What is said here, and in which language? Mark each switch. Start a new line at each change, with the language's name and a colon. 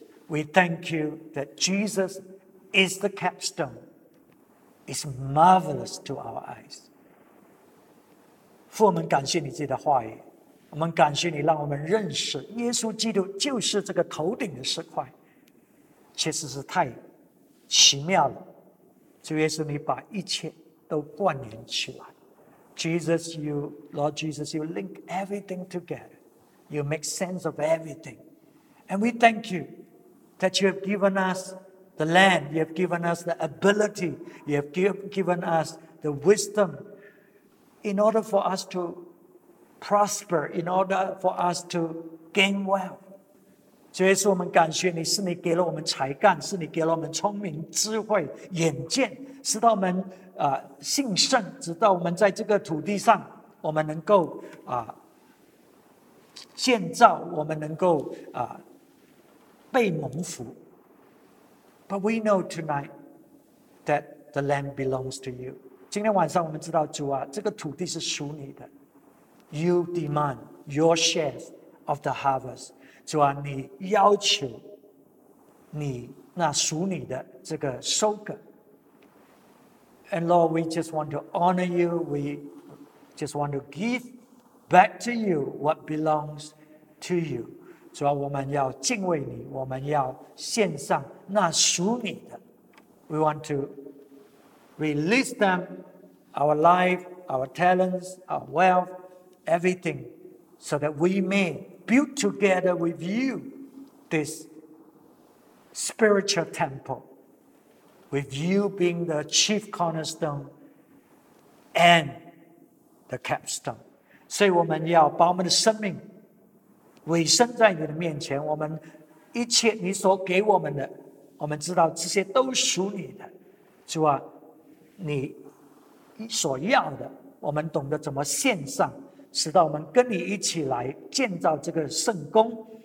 English: We thank you that Jesus is the capstone. It's marvelous to our eyes.
Chinese: 父，我们感谢你自己的话语，我们感谢你让我们认识耶稣基督就是这个头顶的石块，确实是太奇妙了。主耶稣，你把一切都关联起来。
English: Jesus, you, Lord Jesus, you link everything together. You make sense of everything. And we thank you that you have given us the land. You have given us the ability. You have given us the wisdom in order for us to prosper, in order for us to gain wealth.
Chinese: 主耶稣，我们感谢你，是你给了我们才干，是你给了我们聪明、智慧、眼见，使到我们兴盛，直到我们在这个土地上，我们能够建造，我们能够被蒙福。
English: But we know tonight that the land belongs to you.
Chinese: 今天晚上我们知道，主啊，这个土地是属你的。
English: You demand your share of the harvest.
Chinese: 主啊，你要求你那属你的这个收割。
English: And Lord, we just want to honor you. We just want to give back to you what belongs to you.
Chinese: 主啊，我们要敬畏你，我们要献上那属你的。
English: We want to release them, our life, our talents, our wealth, everything, so that we may build together with you this spiritual temple. With you being the chief cornerstone and the capstone.
Chinese: 所以我们要把我们的生命委身在你的面前，我们一切你所给我们的，我们知道这些都属你的。主啊，你所要的，我们懂得怎么献上，使到我们跟你一起来建造这个圣宫。